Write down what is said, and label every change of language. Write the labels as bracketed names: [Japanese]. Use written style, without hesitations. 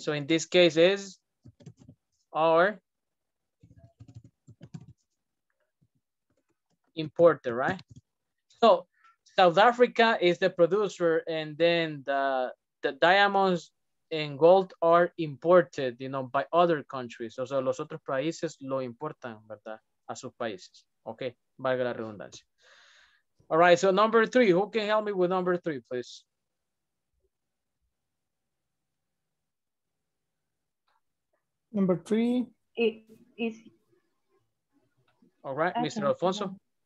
[English] So in this case is our importer, right? So South Africa is the producer, and then the diamonds and gold are imported, you know, by other countries. [Spanish] O sea, los otros países lo importan, ¿verdad? A sus países. Okay, valga la redundancia. [English] All right, so number three, who can help me with number three, please? Number three. All right, okay. Mr. Alfonso.